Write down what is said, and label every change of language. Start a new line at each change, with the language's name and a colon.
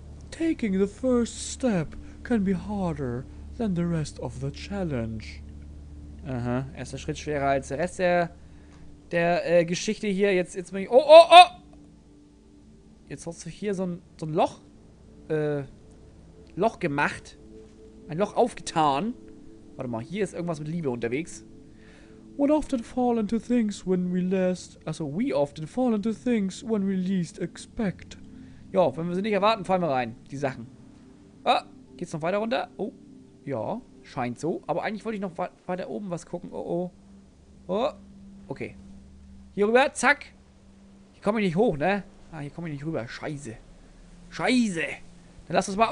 English: Taking the first step can be harder than the rest of the challenge.
German: Aha, erster Schritt schwerer als der Rest der Geschichte hier. Jetzt bin ich. Oh, oh, oh! Jetzt hast du hier so ein Loch. Loch gemacht. Ein Loch aufgetan. Warte mal, hier ist irgendwas mit Liebe unterwegs.
English: We often fall into things when we least. Also, we often fall into things when we least expect.
German: Ja, wenn wir sie nicht erwarten, fallen wir rein. Die Sachen. Ah, geht's noch weiter runter? Oh, ja, scheint so. Aber eigentlich wollte ich noch weiter oben was gucken. Oh, oh. Oh, okay. Hier rüber, zack. Hier komme ich nicht hoch, ne? Ah, hier komme ich nicht rüber. Scheiße. Scheiße. Dann lass uns mal.